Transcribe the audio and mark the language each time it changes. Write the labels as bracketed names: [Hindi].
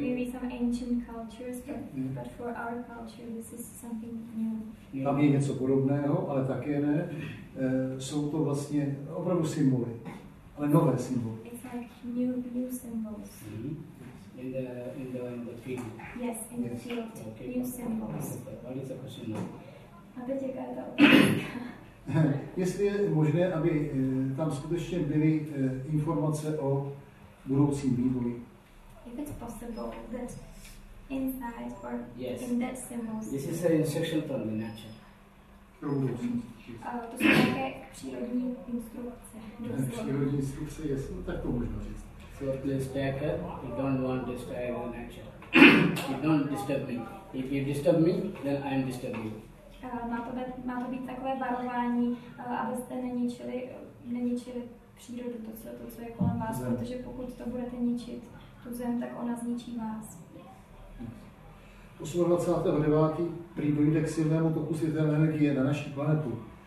[English] Maybe some ancient cultures, but for our culture this is something new. [Czech] Tam je něco podobného, ale také ne. Jsou to vlastně opravdu symboly, ale nové symboly. [English] It's like new symbols. In the field. Yes, in the field. Okay. New symbols. What is the question now? [Czech] A teď jaká je ta otázka? Jestli je možné, aby tam skutečně byly informace o budoucím vývoji. [English] If it's possible that inside or in that symbols. This is an instruction from the nature. [Czech] To jsou také přírodní instrukce. Přírodní instrukce, [English] yes, [Czech] no, tak to možno říct. [English] So please take it. You don't want to disturb the nature. You don't disturb me. If you disturb me, then I am disturbing you. [Czech] Má to být takové varování, abyste neničili přírodu, to co je kolem vás, zem. Protože pokud to budete ničit, tu zem, tak ona zničí vás. 28. 9. prý dojde k silnému toku světelné energie na naší planetu.